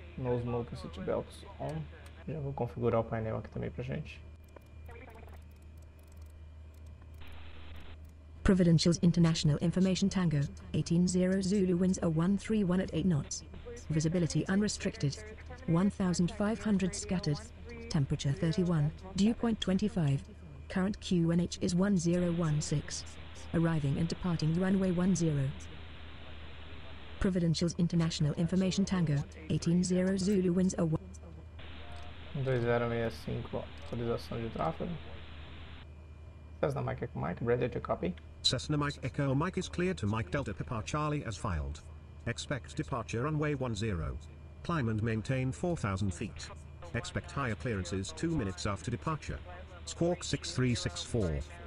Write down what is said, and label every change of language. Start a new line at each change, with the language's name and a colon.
English: No smoke and seatbelts on.
Portuguese: Já vou configurar o painel aqui também pra gente.
English: Providentials International Information Tango, 180 Zulu winds are 131 at 8 knots. Visibility unrestricted. 1500 scattered. Temperature 31. Dew point 25. Current QNH is 1016. Arriving and departing runway 10. Providentials International Information Tango, 180 Zulu winds are
Portuguese: 2065, autorização de tráfego.
English: Cessna Mike Echo Mike, ready to copy. Cessna Mike Echo Mike is clear to Mike Delta Papa Charlie as filed. Expect departure runway 10. Climb and maintain 4000 feet. Expect higher clearances 2 minutes after departure. Squawk 6364.